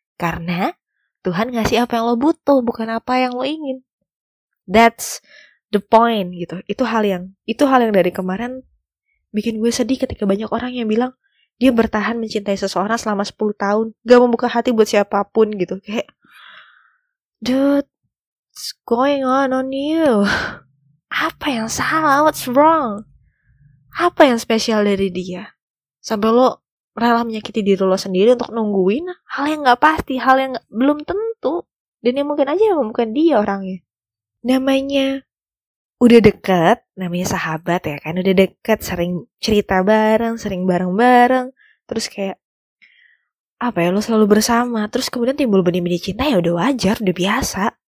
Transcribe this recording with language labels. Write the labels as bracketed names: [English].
[Indonesian] Karena Tuhan ngasih apa yang lo butuh, bukan apa yang lo ingin. [English] That's the point [Indonesian] gitu. Itu hal yang dari kemarin bikin gue sedih ketika banyak orang yang bilang dia bertahan mencintai seseorang selama 10 tahun, gak membuka hati buat siapapun gitu. [English] Kayak, dude, what's going on you? [Indonesian] Apa yang salah? [English] What's wrong? [Indonesian] Apa yang spesial dari dia? Sampai lo rela menyakiti diri lo sendiri untuk nungguin hal yang gak pasti, hal yang belum tentu. Dan yang mungkin aja memang bukan dia orangnya. Namanya udah deket, namanya sahabat ya kan, udah deket, sering cerita bareng, sering bareng-bareng, terus kayak, apa ya, lo selalu bersama, terus kemudian timbul benih-benih cinta, ya udah wajar, udah biasa.